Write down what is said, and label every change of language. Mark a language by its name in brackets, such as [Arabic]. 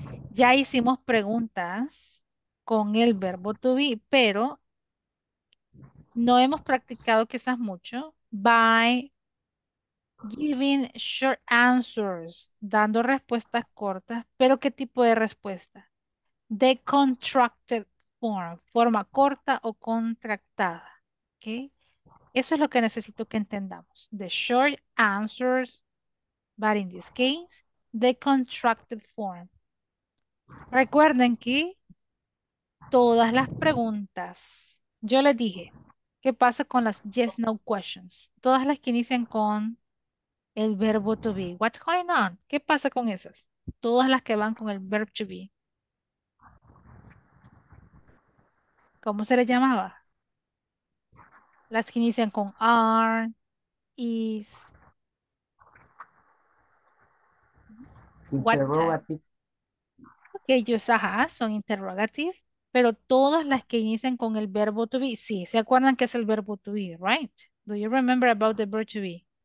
[Spanish] Ya hicimos preguntas con el verbo to be, pero no hemos practicado quizás mucho [English] by giving short answers, [Spanish] dando respuestas cortas, pero ¿qué tipo de respuesta? [English] The contracted form, [Spanish] forma corta o contractada. ¿Okay? Eso es lo que necesito que entendamos. [English] The short answers, but in this case, the contracted form. [Spanish] Recuerden que todas las preguntas, yo les dije, ¿qué pasa con las [English] yes, no questions? [Spanish] Todas las que inician con el verbo to be. [English] What's going on? [Spanish] ¿Qué pasa con esas? Todas las que van con el verb to be. ¿Cómo se les llamaba? Las que inician con are, is. [English] Interrogative. [Spanish] Ok, just, ajá, son interrogative. Pero todas las que inician con el verbo to be. Sí, ¿se acuerdan qué es el verbo to be? [English] Right? Do you remember about the verb to be?